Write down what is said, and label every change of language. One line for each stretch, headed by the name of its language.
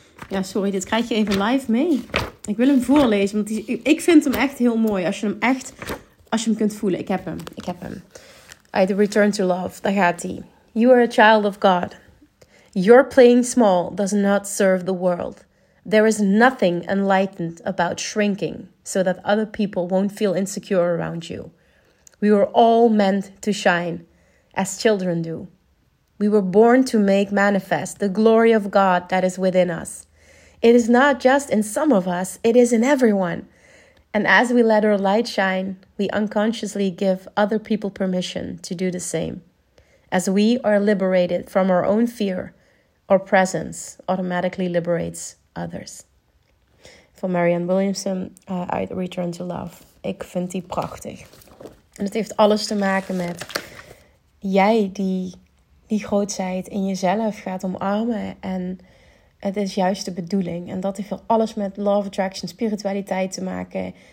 Dutch: Ja, sorry, dit krijg je even live mee. Ik wil hem voorlezen, want ik vind hem echt heel mooi. Als je hem kunt voelen. Ik heb hem. The Return to Love, daar gaat hij.
English: You are a child of God. Your playing small does not serve the world. There is nothing enlightened about shrinking so that other people won't feel insecure around you. We were all meant to shine, as children do. We were born to make manifest the glory of God that is within us. It is not just in some of us, it is in everyone. And as we let our light shine, we unconsciously give other people permission to do the same. As we are liberated from our own fear, our presence automatically liberates others.
Dutch: Van Marianne Williamson uit Return to Love. Ik vind die prachtig. En het heeft alles te maken met jij die grootheid in jezelf gaat omarmen. En het is juist de bedoeling. En dat heeft alles met Law of Attraction, spiritualiteit te maken.